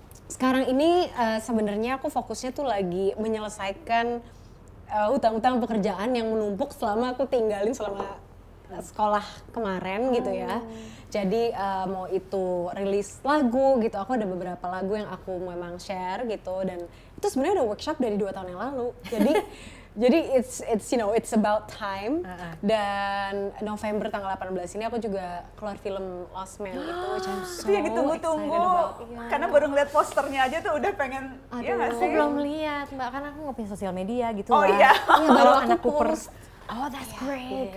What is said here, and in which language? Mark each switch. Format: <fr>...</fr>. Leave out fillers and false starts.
<id>Sekarang ini sebenarnya aku fokusnya tuh lagi menyelesaikan utang-utang pekerjaan yang menumpuk selama aku tinggalin selama sekolah kemarin gitu ya. Jadi mau itu rilis lagu gitu, aku ada beberapa lagu yang aku memang share gitu, dan itu sebenarnya udah workshop dari 2 tahun yang lalu. Jadi jadi</id> <en>it's you know, it's about time.</en> <id>Dan November tanggal 18 ini aku juga keluar film Lost Man gitu.</id> <en>Which I'm so</en> <id>itu yang ditunggu-tunggu. Karena baru ngeliat posternya aja tuh udah pengen. Aduh, ya enggak sih? Aku belum lihat, Mbak, karena aku enggak punya sosial media gitu. Oh iya. Baru anak Cooper.</id> <en>Oh, that's great. Yeah,</en>